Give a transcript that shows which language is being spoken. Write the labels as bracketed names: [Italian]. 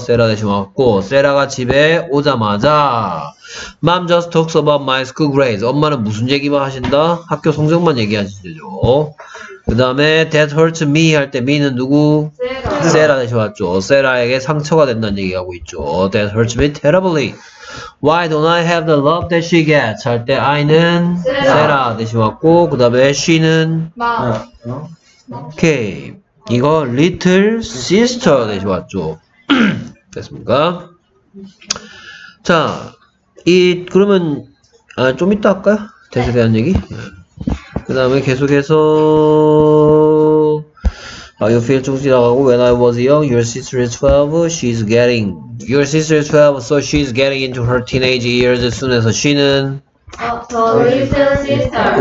[Korean] 세라 대신 왔고 세라가 집에 오자마자 [English] Mom just talks about my school grades. [Korean] 엄마는 무슨 얘기만 하신다? 학교 성적만 얘기하시죠. 그 다음에 [English] That hurts me [Korean] 할 때 me는 누구? 세라. 세라 대신 왔죠. 세라에게 상처가 된다는 얘기하고 있죠. [English] That hurts me terribly. Why don't I have the love that she gets? [Korean] 할 때 아이는 세라 대신 왔고 그 다음에 she는 마. Okay. 이거 little sister 대신 왔죠. 됐습니까? 자, 이 그러면 아, 좀 이따 할까요? 대세에 대한 얘기? 그 다음에 계속해서 [English] How you feel [Korean] 쭉 지나가고 [English] When I was young, your sister is 12, she's getting Your sister is 12, so she's getting into her teenage years as soon as she는 The little sister.